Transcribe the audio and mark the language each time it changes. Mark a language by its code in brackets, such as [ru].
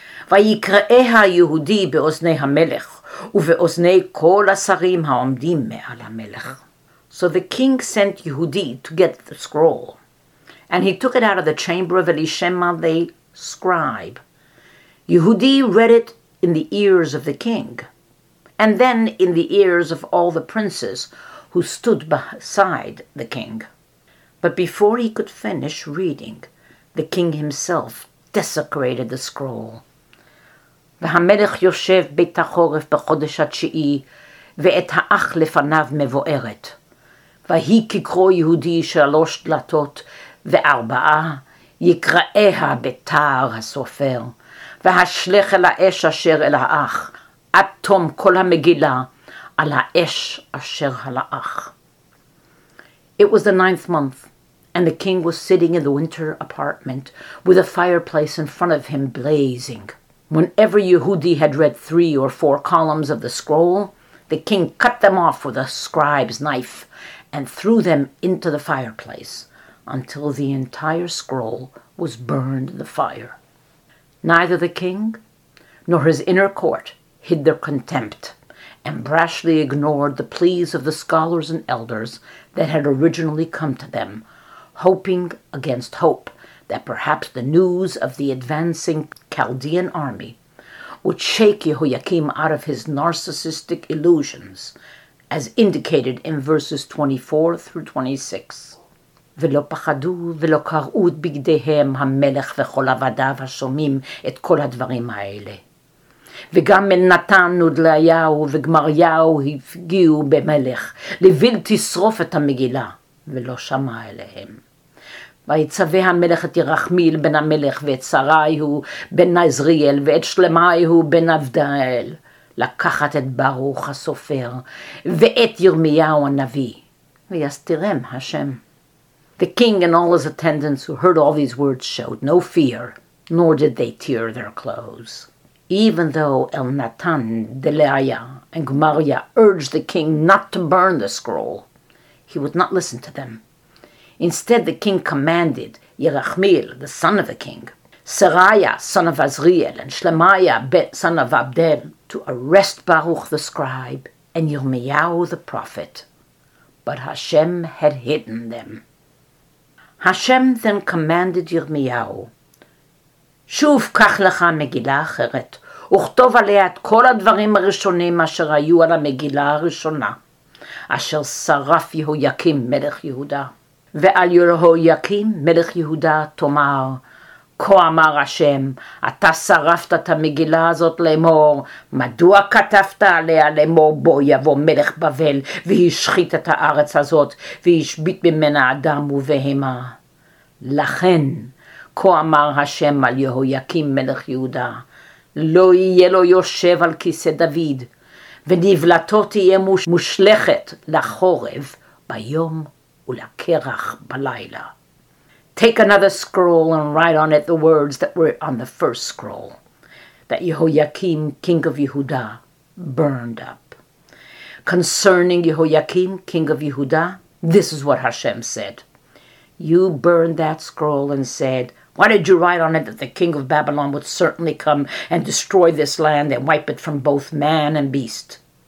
[he] Vayikreeha Yehudi beoznei ha-melech, ובאוזני כל השרים העומדים מעל המלך. [en] So the king sent Yehudi to get the scroll, and he took it out of the chamber of Elishema, the scribe. Yehudi read it in the ears of the king, and then in the ears of all the princes who stood beside the king. But before he could finish reading, the king himself desecrated the scroll. [he] והמלך יושב בית החורף בחודש התשיעי, ואת האח לפניו מבוארת. והיא כקרוא יהודי שלוש דלתות וארבעה, יקראיה בתער הסופר. והשלך אל האש אשר אל האח, עד תום כל המגילה על האש אשר על האח. [en] It was the ninth month, and the king was sitting in the winter apartment with a fireplace in front of him blazing. Whenever Yehudi had read three or four columns of the scroll, the king cut them off with a scribe's knife and threw them into the fireplace until the entire scroll was burned in the fire. Neither the king nor his inner court hid their contempt and brashly ignored the pleas of the scholars and elders that had originally come to them, hoping against hope that perhaps the news of the advancing Chaldean army would shake Jehoiakim out of his narcissistic illusions as indicated in verses 24 through 26. [he] ולא פחדו ולא קראו את בגדיהם המלך וכל עבדיו השומעים את כל הדברים האלה. וגם מנתן ודליהו וגמריהו הפגיעו במלך, לבל תשרוף את המגילה, ולא שמע אליהם. ויצווה המלך את ירחמיל בן המלך ואת שריהו בן עזריאל ואת שלמיהו בן עבדאל, לקחת את ברוך הסופר ואת ירמיהו הנביא, ויסתירם השם. [en] The king and all his attendants who heard all these words showed no fear, nor did they tear their clothes. Even though Elnatan, Delaya, and Gemariah urged the king not to burn the scroll, he would not listen to them. Instead, the king commanded Yerachmiel, the son of the king, Seraiah, son of Azriel, and Shlemiah, son of Abdel, to arrest Baruch the scribe and Yirmiyahu the prophet. But Hashem had hidden them. Hashem then commanded Yirmiyahu, [he] שוב קח לך מגילה אחרת, וכתוב עליה את כל הדברים הראשונים אשר היו על המגילה הראשונה, אשר שרף יהויקים מלך יהודה. ועל יהויקים מלך יהודה תאמר, כה אמר השם, אתה שרפת את המגילה הזאת לאמור, מדוע כתבת עליה לאמור בו יבוא מלך בבל, והשחית את הארץ הזאת, והשבית ממנה אדם ובהמה. לכן, כה אמר השם על יהויקים מלך יהודה, לא יהיה לו יושב על כיסא דוד, ונבלתו תהיה מושלכת לחורב ביום ולקרח בלילה. [en] Take another scroll and write on it the words that were on the first scroll that Jehoiakim, king of Yehuda, burned up. Concerning Jehoiakim, king of Yehuda, this is what Hashem said. You burned that scroll and said, why did you write on it that the king of Babylon would certainly come and destroy this land and wipe it from both man and beast?